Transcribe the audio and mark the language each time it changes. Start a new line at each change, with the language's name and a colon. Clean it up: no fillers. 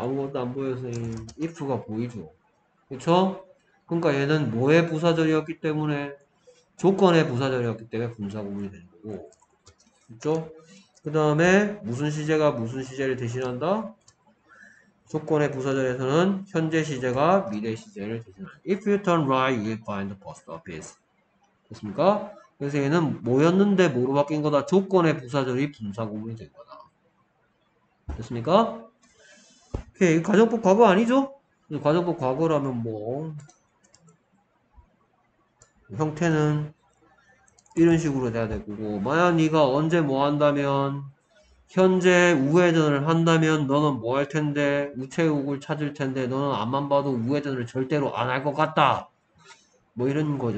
Korean: 아무것도 안 보여요, 선생님. if가 보이죠. 그쵸? 그러니까 얘는 뭐의 부사절이었기 때문에 조건의 부사절이었기 때문에 분사구문이 되는 거고. 그쵸? 그 다음에 무슨 시제가 무슨 시제를 대신한다? 조건의 부사절에서는 현재 시제가 미래 시제를 대신한다.
English: If you turn right, you will find the post office.
Korean: 됐습니까? 그래서 얘는 뭐였는데 뭐로 바뀐 거다? 조건의 부사절이 분사구문이 된 거다. 됐습니까? 오케이, 가정법 과거 아니죠? 가정법 과거라면 뭐 형태는 이런 식으로 돼야 되고, 만약 네가 언제 뭐 한다면, 현재 우회전을 한다면 너는 뭐할 텐데, 우체국을 찾을 텐데 너는 앞만 봐도 우회전을 절대로 안할것 같다, 뭐 이런 거죠.